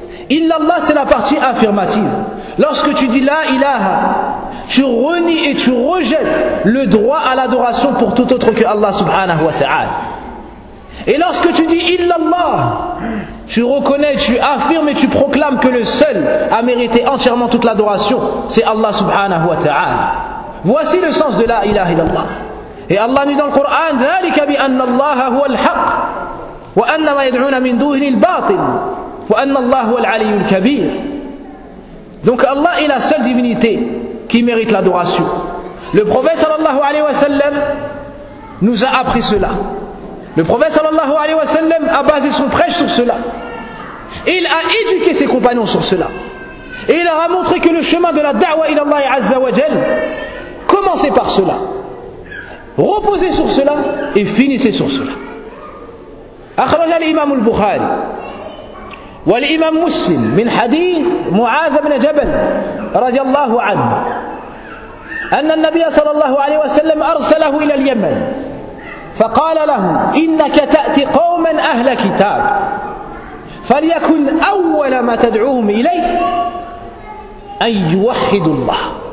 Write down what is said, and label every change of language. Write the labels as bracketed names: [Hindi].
[French] Illallah, c'est la partie affirmative. Lorsque tu dis la ilaha, tu renies et tu rejettes le droit à l'adoration pour tout autre que Allah [Arabic] subhanahu wa ta'ala. [French] Et lorsque tu dis illallah, tu reconnais, tu affirmes et tu proclames que le seul à mériter entièrement toute l'adoration, c'est Allah [Arabic] subhanahu wa ta'ala. [French] Voici le sens de [Arabic] la ilaha illallah. [French] Et Allah nous dit dans le Coran, [Arabic] ذلك بأن الله هو الحق وأن ما يدعون من دونه الباطل وأن الله هو العلي الكبير. [French] Donc Allah est la seule divinité qui mérite l'adoration. Le prophète [Arabic] sallallahu alayhi wa sallam [French] nous a appris cela. Le prophète [Arabic] sallallahu alayhi wa sallam [French] a basé son prêche sur cela. Et il a éduqué ses compagnons sur cela. Et il leur a montré que le chemin de la [Arabic] da'wa ila Allah azza wa jal [French] commencez par cela. Reposez sur cela et finissez sur cela. [Arabic] Akhraja l'imam al-Bukhari والإمام مسلم من حديث معاذ بن جبل رضي الله عنه أن النبي صلى الله عليه وسلم أرسله إلى اليمن فقال له إنك تأتي قوما أهل كتاب فليكن أول ما تدعوهم إليه أن يوحدوا الله.